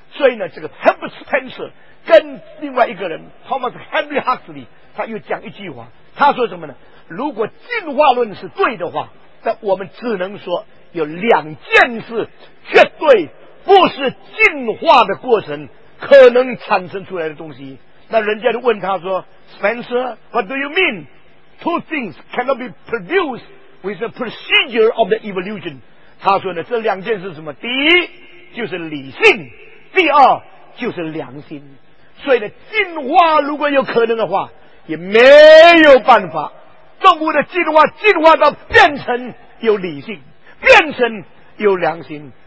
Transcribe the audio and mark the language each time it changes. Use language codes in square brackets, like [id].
[zh] 所以呢，这个 Herbert Spencer 跟另外一个人 Thomas Henry Huxley 他又讲一句话，他说什么呢？如果进化论是对的话，那我们只能说有两件事绝对不是进化的过程可能产生出来的东西。那人家就问他说， [en] Spencer, what do you mean? Two things cannot be produced with the procedure of the evolution。 [zh] 他说呢，这两件事是什么？第一就是理性，第二就是良心。所以呢，进化如果有可能的话，也没有办法动物的进化到变成有理性，变成有良心。